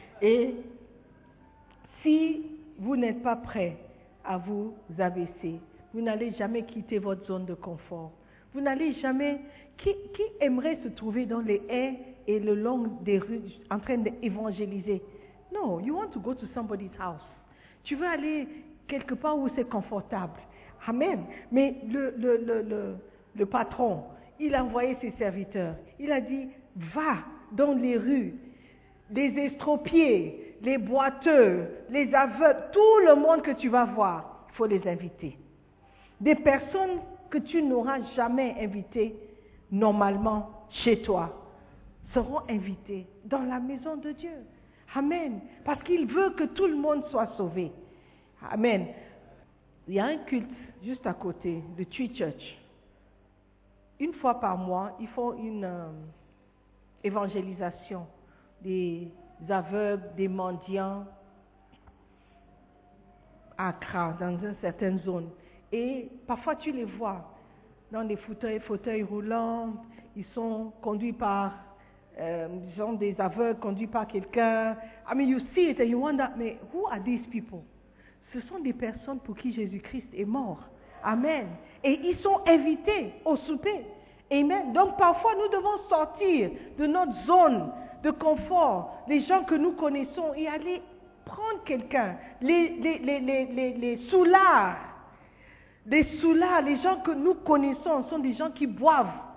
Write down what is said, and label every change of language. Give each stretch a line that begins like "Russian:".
French: Et si vous n'êtes pas prêt à vous abaisser, vous n'allez jamais quitter votre zone de confort. Vous n'allez jamais... Qui aimerait se trouver dans les haies et le long des rues en train d'évangéliser?
English: Non, you want to go to somebody's house.
French: Tu veux aller quelque part où c'est confortable. Amen. Mais le patron, il a envoyé ses serviteurs. Il a dit, va dans les rues, les estropiés, les boiteux, les aveugles, tout le monde que tu vas voir, il faut les inviter. Des personnes que tu n'auras jamais invitées normalement chez toi seront invitées dans la maison de Dieu. Amen. Parce qu'il veut que tout le monde soit sauvé. Amen. Il y a un culte juste à côté, le Tree Church. Une fois par mois, ils font une évangélisation des aveugles, des mendiants à Accra, dans une certaine zone. Et parfois, tu les vois dans des fauteuils roulants. Ils sont conduits par, disons, des aveugles, conduits par quelqu'un.
English: I mean, you see it and you wonder, mais who are these people?
French: Ce sont des personnes pour qui Jésus-Christ est mort. Amen. Et ils sont invités au souper. Amen. Donc, parfois, nous devons sortir de notre zone de confort, les gens que nous connaissons, et aller prendre quelqu'un, les soulards, les gens que nous connaissons sont des gens qui boivent.